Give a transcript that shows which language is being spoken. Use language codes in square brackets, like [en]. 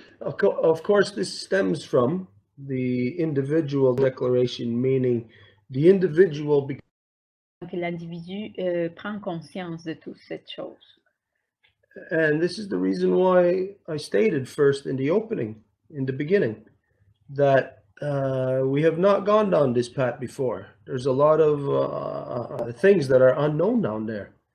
[en] Of course, this stems from the individual declaration, meaning the individual [fr] Que l'individu prend conscience de toute cette chose. [en] And this is the reason why I stated first in the opening, in the beginning, that we have not gone down this path before. There's a lot of things that are unknown down there.